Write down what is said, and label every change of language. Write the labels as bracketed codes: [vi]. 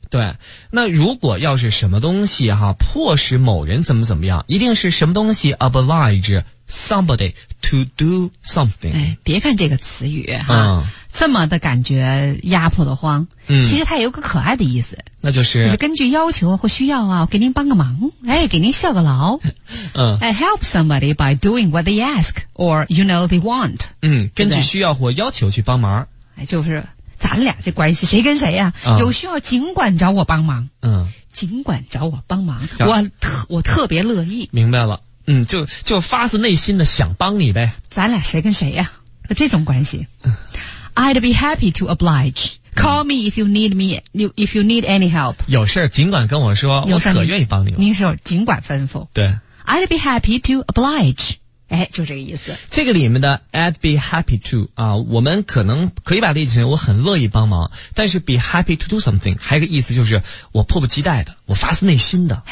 [zh] 对。那如果要是什么东西哈、啊、迫使某人怎么怎么样，一定是什么东西 [en] oblige somebody to do something。 [zh] 哎，别看这个词语哈、啊嗯、这么的感觉压迫的慌。嗯，其实它有个可爱的意思。那就是根据要求或需要啊，给您帮个忙，哎，给您效个劳。嗯 [en] ，I help somebody by doing what they ask or you know they want。 [zh] 嗯，根据需要或要求去帮忙。哎，就是咱俩这关系，谁跟谁呀、啊嗯？有需要尽管找我帮忙。嗯，尽管找我帮忙，我特别乐意。明白了，嗯，就发自内心的想帮你呗。咱俩谁跟谁呀、啊？这种关系、嗯、 [en] ，I'd be happy to oblige。 Call me if you need me, if you need any help. [zh] 有事尽管跟我说，我可愿意帮你了。您说尽管吩咐。对。 [en] I'd be happy to oblige. [zh] 哎，就这个意思。这个里面的 [en] I'd be happy to, [zh] 啊，我们可能可以把它理解成我很乐意帮忙，但是 [en] be happy to do something, [zh] 还有个意思就是我迫不及待的，我发自内心的。